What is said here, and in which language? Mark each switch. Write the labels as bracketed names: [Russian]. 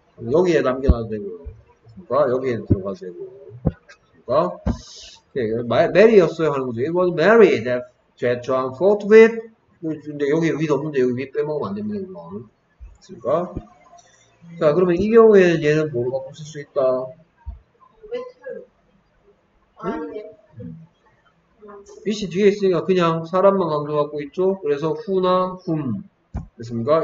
[Korean] 여기에 남겨놔도 되고요. 그렇습니까? 여기에 들어가도 되고. 그렇습니까? 네, 메리였어요 하는 거죠. [English] It was Mary that Jet John fought with. [Korean] 근데 여기 윗 없는데 여기 윗 빼먹으면 안 됩니다, 이거. 됐습니까? 자, 그러면 이 경우에는 얘는 뭐가 붙을 수 있다? [English] With who? [Korean] With. 윗이 뒤에 있으니까 그냥 사람만 강조 갖고 있죠? 그래서 who나 whom. 됐습니까?